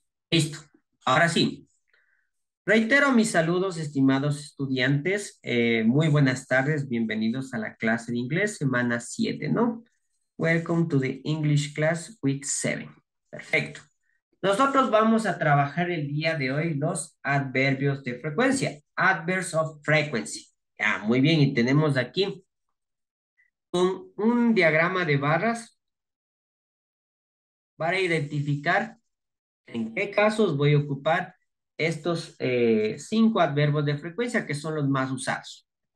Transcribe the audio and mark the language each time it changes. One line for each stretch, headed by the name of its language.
Spanish: Listo, ahora sí. Reitero mis saludos, estimados estudiantes. Muy buenas tardes, bienvenidos a la clase de inglés semana 7, ¿no?
English: Welcome to the English class week 7.
Spanish: Perfecto. Nosotros vamos a trabajar el día de hoy los adverbios de frecuencia.
English: Adverbs of frequency.
Spanish: Ya, muy bien, y tenemos aquí con un diagrama de barras para identificar en qué casos voy a ocupar estos cinco adverbios de frecuencia que son los más usados.